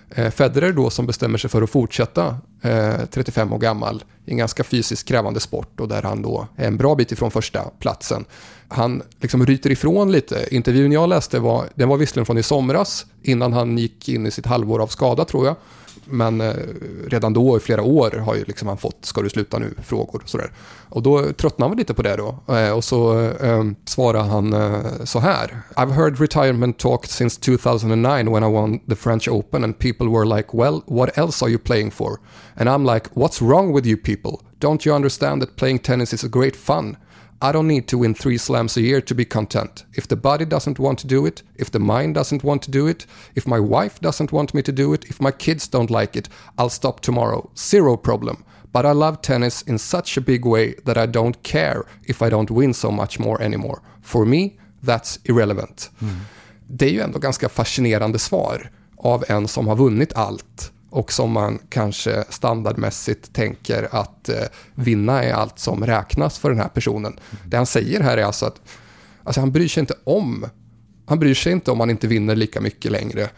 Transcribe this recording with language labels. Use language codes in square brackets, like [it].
[sv] Federer då, som bestämmer sig för att fortsätta 35 år gammal i en ganska fysiskt krävande sport, och där han då är en bra bit ifrån första platsen. Han liksom ryter ifrån lite. Intervjun jag läste var, den var visserligen från i somras, innan han gick in i sitt halvår av skada, tror jag. Men redan då, i flera år, har ju liksom han fått "ska du sluta nu?" frågor och sådär. Och då tröttnade han lite på det då. Och så svarade han så här: [en] "I've heard retirement talk since 2009 when I won the French Open, and people were like, 'Well, what else are you playing for?' And I'm like, 'What's wrong with you people? Don't you understand that playing tennis is a great fun? I don't need to win 3 slams a year to be content. If the body doesn't want to do it, if the mind doesn't want to do it, if my wife doesn't want me to do it, if my kids don't like it, I'll stop tomorrow. Zero problem. But I love tennis in such a big way that I don't care if I don't win so much more anymore. For me, that's irrelevant." Mm. [sv] Det är ju ändå ganska fascinerande svar av en som har vunnit allt, och som man kanske standardmässigt tänker att vinna är allt som räknas för den här personen. Det han säger här är alltså att han bryr sig inte om, han bryr sig inte om man inte vinner lika mycket längre.